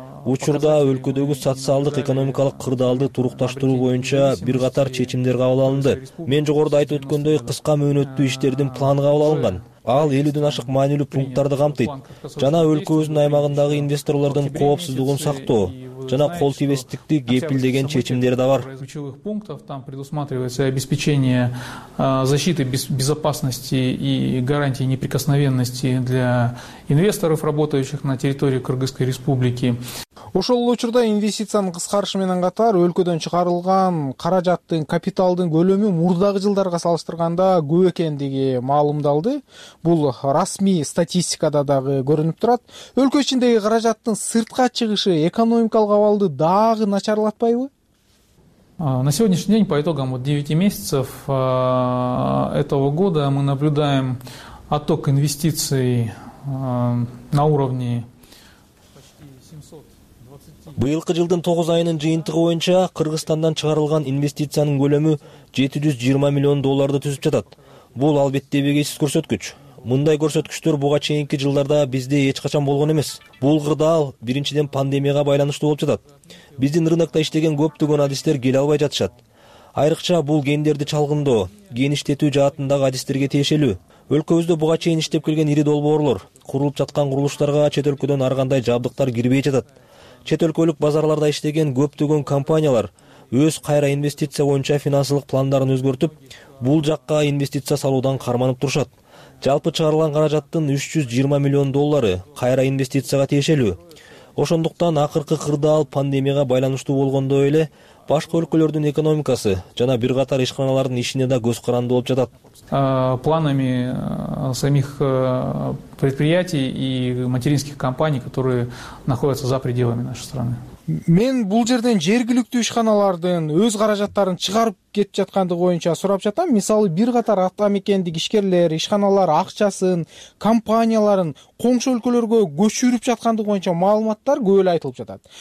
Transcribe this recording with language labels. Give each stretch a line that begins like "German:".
Kyrgyz: Учурда өлкөдөгү социалдык экономикалык кырдаалды турукташтыруу боюнча бир катар чечимдер кабыл алынды. Мен жогоруда айтып өткөндөй кыска мөөнөттүү иштердин планы кабыл алынган. Ал 50 ашык маанилүү пункттарды камтыйт жана өлкөбүздүн аймагындагы инвестордордун коопсуздугун сактоо жана кол тийбестикти кепилдеген чечимдер да бар.
Russian: Ключевых пунктов там предусматривается обеспечение защиты безопасности и гарантии неприкосновенности для инвесторов, работающих на территории Кыргызской Республики.
Kyrgyz: Ошол эле учурда инвестициянын кыскарышы менен катар өлкөдөн чыгарылган каражаттын капиталдын көлөмү мурдагы жылдарга салыштырганда көп экендиги маалымдалды. Бул расмий статистикада дагы көрүнүп турат. Өлкө ичиндеги каражаттын сыртка чыгышы экономикалык абалды дагы начарлатпайбы?
Russian: На сегодняшний день по итогам 9 месяцев этого года мы наблюдаем отток инвестиций на уровне.
Kyrgyz: Быйылкы жылдын 9 айынын жыйынтыгы боюнча Кыргызстандан чыгарылган инвестициянын көлөмү 720 миллион долларды түзүп жатат. Бул албетте эбегейсиз көрсөткүч. Мындай көрсөткүчтөр буга чейинки жылдарда бизде эч качан болгон эмес. Бул кырдаал биринчиден пандемияга байланыштуу болуп жатат. Биздин рынокто иштеген көптөгөн адистер келе албай жатышат. Айрыкча бул гендерди чалгындоо, кеңиштетүү жаатындагы адистерге тиешелүү. Өлкөбүздө буга чейин иштеп келген ири долбоорлор, курулуп жаткан курулуштарга чет өлкөдөн ар кандай жабдыктар кирбей жатат. Чет өлкөлүк базарларда иштеген көптөгөн компаниялар өз кайра инвестиция боюнча финансылык пландарын өзгөртүп, бул жакка инвестиция салуудан карманып турушат. Жалпы чыгарылган каражаттын 320 миллион доллары кайра инвестицияга тиешелүү. Ошондуктан акыркы кырдаал пандемияга байланыштуу болгондой эле башка өлкөлөрдүн экономикасы жана бир катар ишканалардын ишине да көз каранды болуп жатат.
Russian: Планами самих предприятий и материнских компаний, которые находятся за пределами нашей страны.
Kyrgyz: Мен бул жерден жергиликтүү ишканалардын өз каражаттарын чыгарып кетип жаткандыгы боюнча сурап жатам. Мисалы, бир катар атамекендик ишкерлер, ишканалар акчасын, компанияларын коңшу өлкөлөргө көчүрүп жаткандыгы боюнча маалыматтар көп эле айтылып жатат.